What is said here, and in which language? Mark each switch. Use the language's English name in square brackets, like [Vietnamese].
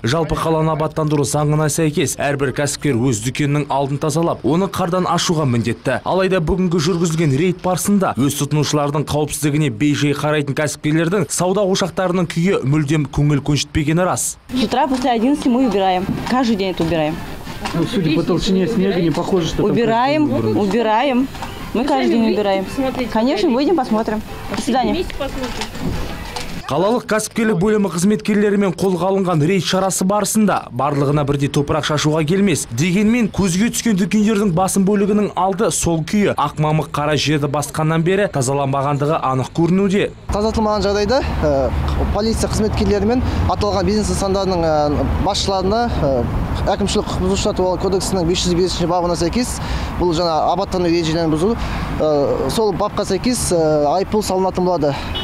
[Kazakh] Жалпы қаланы абаттандыру заңына сәйкес, әрбір кәсіпкер өз дүкенінің алдын тазалап, оны қардан ашуға міндетті. Алайда бүгінгі жүргізілген рейд барысында өз тұтынушылардың қауіпсіздігіне бейжай қарайтын кәсіпкерлердің сауда ошақтарының күйі мүлдем көңіл көншітпегені рас. [Russian] Утра после 11 мы убираем. Каждый день это убираем. Ну, судя по толщине снега, не похоже, что убираем, там убираем. Мы каждый день убираем. Посмотрите. Конечно, выйдем, посмотрим. До свидания. [Kazakh] Қалалық кәсіпкерлік бөлімі қызметкерлерімен қолға алынған рейд шарасы барысында барлығына бірдей топырақ шашуға келмес. Дегенмен көзге түскен дүкендердің басым бөлігінің алды сол күйі ақ мамық қара жерді басқаннан бері тазаланбағандығы анық көрінуде. Тазартылмаған жағдайда полиция қызметкерлерімен аталған бизнес нысандарының басшыларына әкімшілік құқық бұзушылық туралы кодексінің 505-ші бабына сәйкес бұл жаңа абаттандыру ережелерін бұзу сол бапқа сәйкес айыппұл салынатын болады.